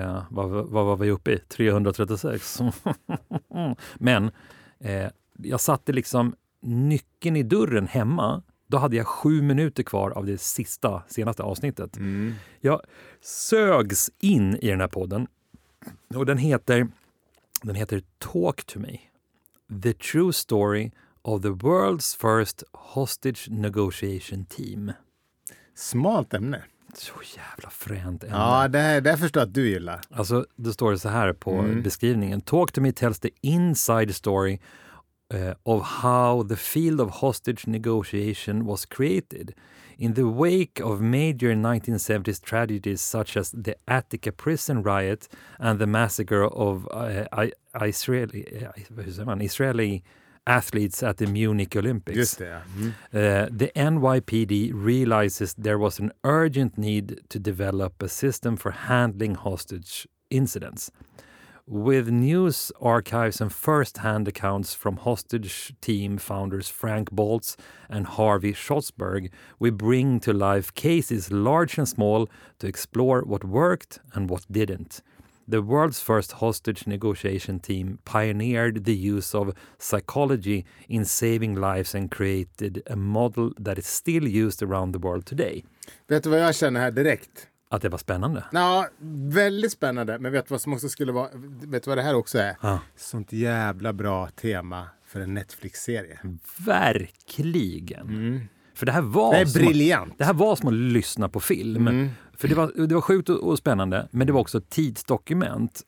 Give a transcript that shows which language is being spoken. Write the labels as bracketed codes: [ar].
[sv] Vad var vi uppe i? 336. Men jag satte liksom nyckeln i dörren hemma. Då hade jag 7 minuter kvar av det senaste avsnittet. Mm. Jag sögs in i den här podden. Och den heter Talk to Me. [en] The True Story of the World's First Hostage Negotiation Team. [sv] Smalt ämne. Så jävla fränt ämne. Ja, det förstår att du gillar. Alltså, då står det så här på beskrivningen. [en] Talk to Me tells the inside story of how the field of hostage negotiation was created. In the wake of major 1970s tragedies such as the Attica prison riot and the massacre of Israeli athletes at the Munich Olympics. [sv] Just det, ja. [en] The NYPD realizes there was an urgent need to develop a system for handling hostage incidents. With news archives and first-hand accounts from hostage team founders Frank Boltz and Harvey Schlossberg, we bring to life cases large and small to explore what worked and what didn't. The world's first hostage negotiation team pioneered the use of psychology in saving lives and created a model that is still used around the world today. [sv] Vet du vad jag känner här direkt? Att det var spännande. Ja, väldigt spännande. Men vet du vad som också skulle vara, vet du vad det här också är? Ja. Sånt jävla bra tema för en Netflix-serie. Verkligen. Mm. För det här var briljant. Det här var som att lyssna på film. Mm. För det var sjukt och spännande, men det var också ett tidsdokument.